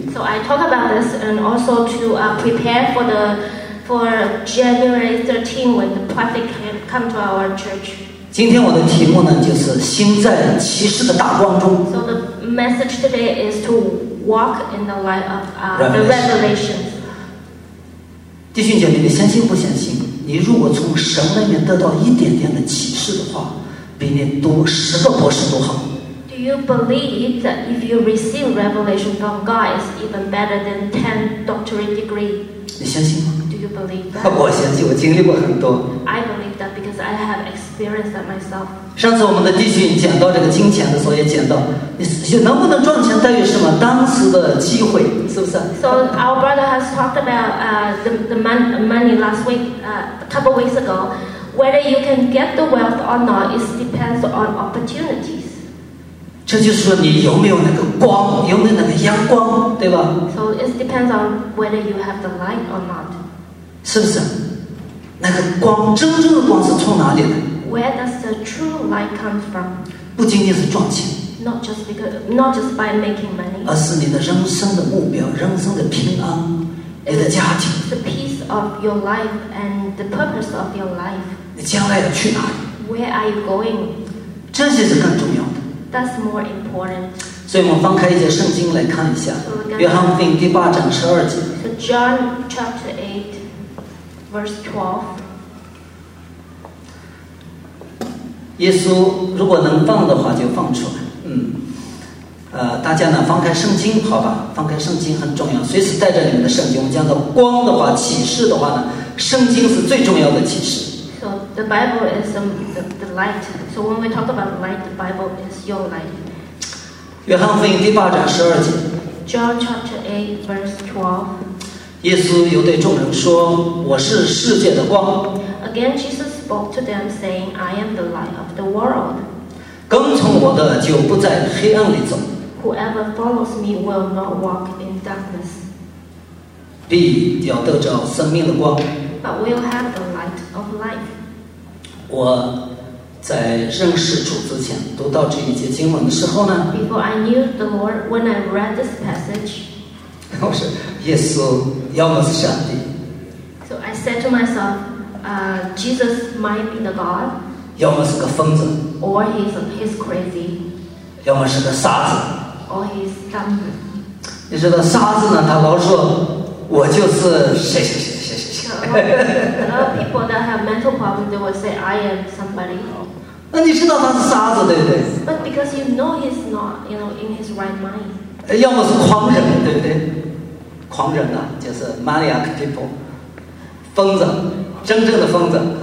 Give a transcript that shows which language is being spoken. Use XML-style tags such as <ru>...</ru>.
<en>So I talk about this and also to prepare for January 13 when the prophet come to our church.</en> <zh>今天我的题目呢，就是心在启示的大光中。</zh> <en>So the message today is to walk in the light of the revelation.</en> <zh>弟兄姐妹，你相信不相信？你如果从神那边得到一点点的启示的话。比你读十个博士都好。</zh> <en>Do you believe that if you receive revelation from God, it's even better than 10 doctorate degree?</en> <zh>你相信吗？</zh> <en>Do you believe that?</en> <zh>我相信，我经历过很多。</zh> <en>I believe that because I have experienced that myself.</en> <zh>上次我们的弟兄讲到这个金钱的时候，也讲到你能不能赚钱在于什么？当时的机会是不是？</zh> <en>So our brother has talked about the money last week, a couple weeks ago. Whether you can get the wealth or not, it depends on opportunities.</en> <zh>这就是说你有没有那个光，有没有那个阳光，对吧？</zh> <en>So it depends on whether you have the light or not.</en> <zh>是不是？那个光，真正的光是从哪里来？</zh> <en>Where does the true light come from?</en> <zh>不仅仅是赚钱。</zh> <en>Not just by making money.</en> <zh>而是你的人生的目标，人生的平安。你的家庭</zh> <en>the peace of your life and the purpose of your life</en> <zh>你将来要去哪里</zh> <en>where are you going</en> <zh>这些是更重要的</zh> <en>that's more important</en> <zh>所以我们翻开一些圣经来看一下、</zh> <en>so、</en> <zh>约翰福音第八章十二节</zh> <en>so John chapter 8 verse 12</en> <zh>耶稣如果能放的话就放出来大家呢翻开圣经好吧翻开圣经很重要随时带着你们的圣经我们讲到光的话启示的话呢圣经是最重要的启示</zh> <en>So the Bible is the light So when we talk about light the Bible is your light</en> <zh>约翰福音第八章十二节</zh> <en>John chapter 8 verse 12</en> <zh>耶稣又对众人说我是世界的光</zh> <en>Again Jesus spoke to them saying I am the light of the world</en> <zh>跟从我的就不在黑暗里走。</zh> <en>Whoever follows me will not walk in darkness.</en> <zh>必要得着生命的光。</zh> <en>But will have the light of life.</en> <zh>我在认识主之前，读到这一节经文的时候呢</zh> <en>？Before I knew the Lord, when I read this passage.</en> <zh>我说，耶稣要么是上帝。</zh> <en>So I said to myself, Jesus might be the God.</en> <zh>要么是个疯子</zh> <en>，or he's crazy，</en> <zh>要么是个傻子</zh> <en>，or he's dumb。</en> <zh>你知道傻子呢？他老说我就是谁谁谁谁谁。</zh> <en>people that have mental problems they will say I am somebody。</en> <zh>那你知道他是傻子对不对</zh> <en>？But because you know he's not, you know, in his right mind。</en> <zh>要么是狂人，对不对？狂人呢，就是</zh> <en>maniac people，</en> <zh>疯子，真正的疯子。</zh>